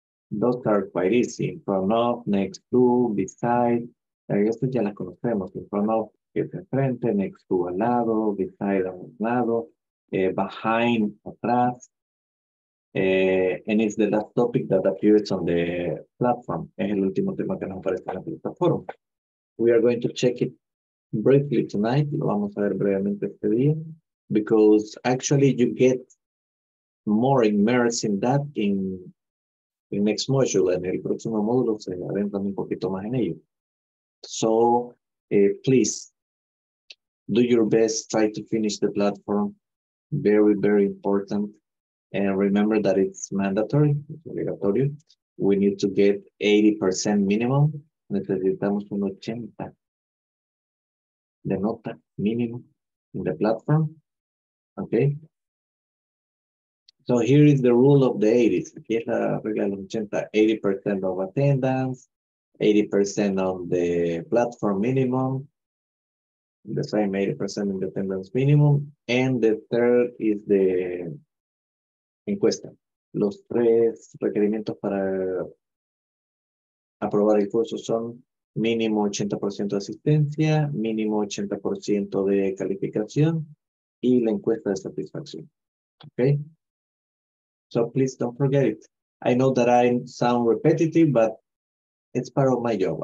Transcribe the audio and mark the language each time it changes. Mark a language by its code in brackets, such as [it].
[en] Those are quite easy, in front of, next to, beside. [es] Estas ya las conocemos, in front of, es enfrente, next to, al lado, beside, a un lado, behind, atrás. [en] And it's the last topic that appears on the platform. [es] Es el último tema que nos aparece en la plataforma. [en] We are going to check it briefly tonight. [es] Lo vamos a ver brevemente este día. [en] Because actually you get more immersed in that in next module. [es] En el próximo módulo se adentran un poquito más en ello. [en] So please do your best. Try to finish the platform. Very, very important. And remember that it's mandatory, it's obligatory. We need to get 80% minimum. [es] Necesitamos un 80 de nota mínimo [en] in the platform. Okay. So here is the rule of the 80s. [es] Aquí es la regla de los 80. [en] 80% of attendance, 80% on the platform minimum. The same 80% in the attendance minimum. And the third is the encuesta. [es] Los tres requerimientos para aprobar el curso son mínimo 80% de asistencia, mínimo 80% de calificación y la encuesta de satisfacción. [en] Okay? So please don't forget it. I know that I sound repetitive, but it's part of my job.